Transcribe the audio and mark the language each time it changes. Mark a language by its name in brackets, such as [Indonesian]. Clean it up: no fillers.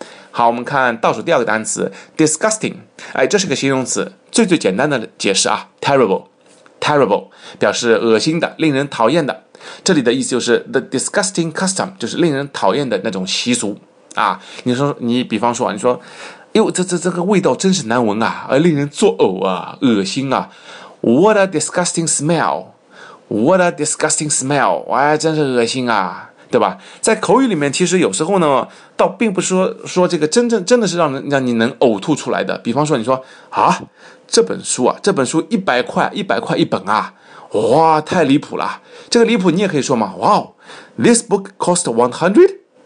[Chinese] 好，我们看倒数第二个单词 disgusting， 哎，这是个形容词，最最简单的解释啊， terrible 表示恶心的，令人讨厌的，这里的意思就是 the disgusting custom，就是令人讨厌的那种习俗啊。你说，你比方说，你说哟，这个味道真是难闻啊，令人作呕啊，恶心啊。 [English] What a disgusting smell! What a disgusting smell! [Chinese] 哎，真是恶心啊，对吧？在口语里面，其实有时候呢，倒并不是说这个真的是让你能呕吐出来的。比方说，你说啊，这本书100块一本啊，哇，太离谱了！这个离谱，你也可以说嘛 ， Wow, this book cost 100.